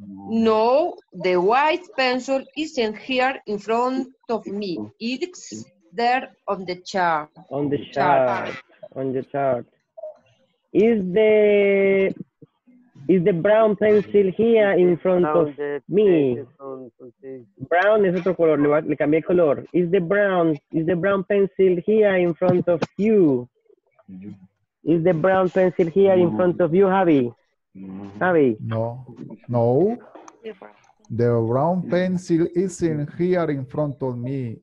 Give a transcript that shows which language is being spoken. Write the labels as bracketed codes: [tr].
[en] No, the white pencil isn't here in front of me. It's there on the chart. On the chart. Is the brown pencil here in front of me? [es] Brown es otro color, le cambié el color. [en] Is the brown pencil here in front of you? Is the brown pencil here in front of you, Javi? Javi? No. The brown pencil isn't here in front of me.